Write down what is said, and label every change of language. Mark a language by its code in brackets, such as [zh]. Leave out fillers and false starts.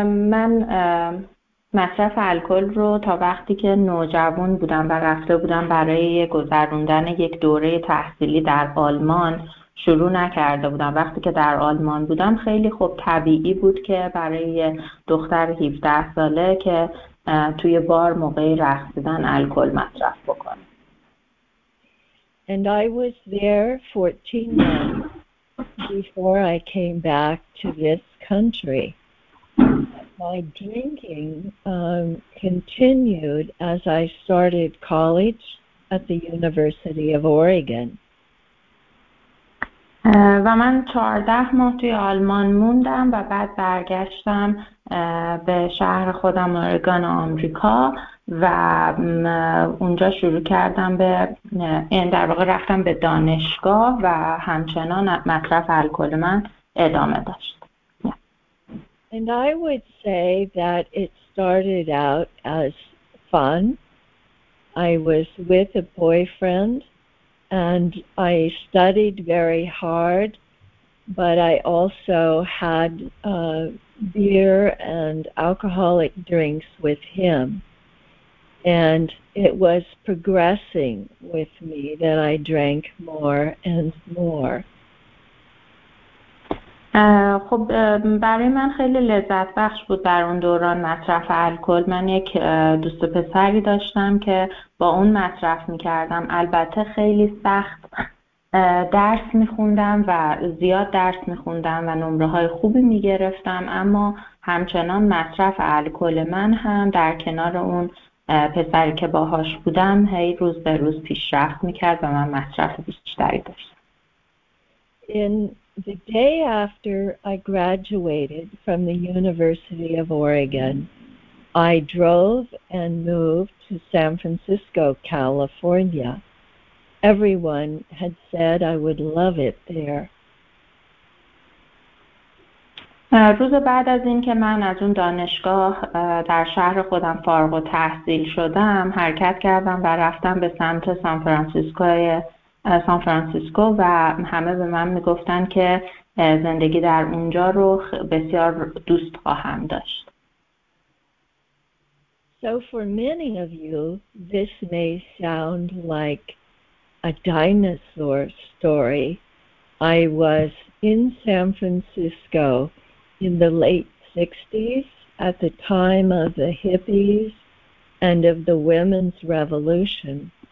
[fa] من مصرف الکل رو تا وقتی که نوجوان بودم و رفته بودم برای گذروندن یک دوره تحصیلی در آلمان شروع نکرده بودم. وقتی که در آلمان بودم خیلی خوب طبیعی بود که برای دختر 17 ساله که توی بار موقع رقصیدن الکل مصرف بکنه. [en] And I was there 14 months before I came back to this country. my drinking continued as I started college at the University of Oregon. [fa] و من 14 ماه توی آلمان موندم و بعد برگشتم به شهر خودم اورگان آمریکا و اونجا شروع کردم به این در واقع رفتم به دانشگاه و همچنان مصرف الکل من ادامه داشت. [en] And I would say that it started out as fun. I was with a boyfriend and I studied very hard, but I also had beer and alcoholic drinks with him. And it was progressing with me that I drank more and more. [fa] خب برای من خیلی لذت بخش بود در اون دوران مصرف الکل. من یک دوست پسری داشتم که با اون مصرف میکردم. البته خیلی سخت درس میخوندم و زیاد درس میخوندم و نمره های خوبی میگرفتم، اما همچنان مصرف الکل من هم در کنار اون پسری که باهاش بودم هی روز به روز پیشرفت میکرد و من مصرف بیشتری داشتم. [en] The day after I graduated from the University of Oregon, I drove and moved to San Francisco, California. Everyone had said I would love it there. [fa] روز بعد از اینکه من از اون دانشگاه در شهر خودم فارغ التحصیل شدم، حرکت کردم و رفتم به سمت سان فرانسیسکو. سان فرانسیسکو و همه به من میگفتن که زندگی در اونجا رو بسیار دوست خواهم داشت. [en] So for many of you, this may sound like a dinosaur story. I was in San Francisco in the late 60s at the time of the hippies and of the women's revolution.